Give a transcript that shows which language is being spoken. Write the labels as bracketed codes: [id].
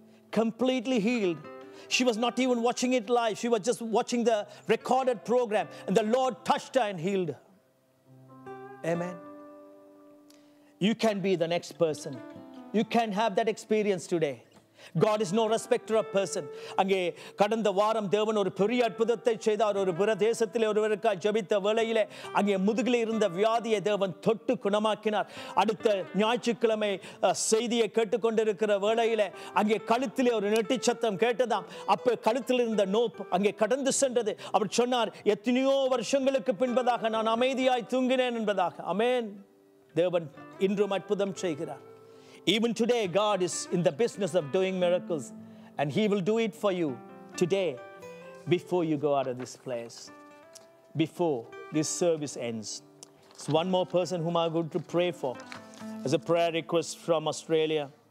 [en] Completely healed. She was not even watching it live. She was just watching the recorded program. And the Lord touched her and healed her. Amen. You can be the next person. You can have that experience today. God is no respecter of person. [ta] அங்கே கடந்த வாரம் தேவன் ஒரு பெரிய அற்புதத்தை செய்தார். ஒரு பிரதேசத்திலே ஒருவருக்கு ஜெபித்த வேளையிலே அங்கே முதுகில் இருந்த வியாதியை தேவன் தொட்டு குணமாக்கினார். அடுத்த ஞாயிற்றுக்கிழமை செய்தியை கேட்டுக்கொண்டிருக்கிற வேளையிலே அங்கே கழுத்திலே ஒரு நெட்டி சத்தம் கேட்டதாம். அப்போ கழுத்தில் இருந்த நோப்பு அங்கே கடந்து சென்றது. அவர் சொன்னார், எத்தனையோ வருஷங்களுக்கு பின்பதாக நான் அமைதியாய் தூங்கினேன் என்பதாக. அமேன். தேவன் இன்றும் அற்புதம் செய்கிறார். [en] Even today, God is in the business of doing miracles, and He will do it for you today before you go out of this place, before this service ends. So one more person whom I'm going to pray for. There's a prayer request from Australia.